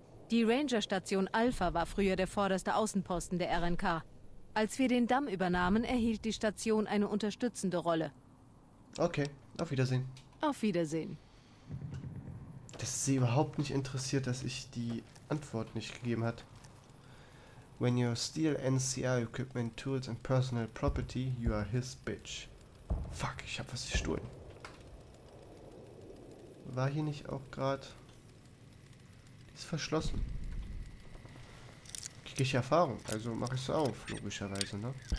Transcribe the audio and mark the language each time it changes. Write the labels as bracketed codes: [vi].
[de] Die Ranger-Station Alpha war früher der vorderste Außenposten der RNK. Als wir den Damm übernahmen, erhielt die Station eine unterstützende Rolle. Okay, auf Wiedersehen. Auf Wiedersehen. Dass sie überhaupt nicht interessiert, dass ich die Antwort nicht gegeben hat. [en] When you steal NCR equipment, tools and personal property, you are his bitch. [de] Fuck, ich hab was gestohlen. War hier nicht auch gerade? Die ist verschlossen. Krieg ich Erfahrung, also mach ich's auf, logischerweise, ne?